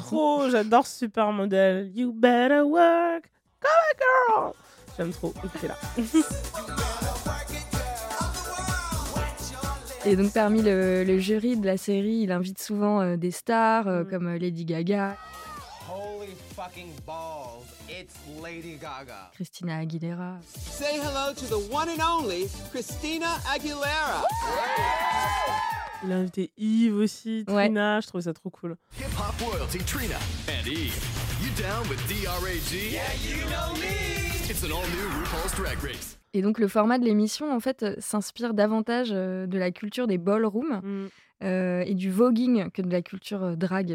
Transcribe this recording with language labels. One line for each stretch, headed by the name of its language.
French: Trop, j'adore Supermodel.
English: You better work. Come on, girl.
French: J'aime trop. Écoutez là. Et donc, parmi le jury de la série, il invite souvent des stars comme Lady Gaga.
English: Holy fucking balls, it's Lady Gaga. Christina Aguilera. Say hello to the one and only Christina Aguilera.
French: Il a invité Eve aussi, Trina, ouais. Je trouvais ça trop cool.
English: Hip-hop royalty, Trina and Eve. You down with D-R-A-G? Yeah, you know me. It's an all-new RuPaul's Drag Race.
French: Et donc, le format de l'émission, en fait, s'inspire davantage de la culture des ballrooms et du voguing que de la culture drag.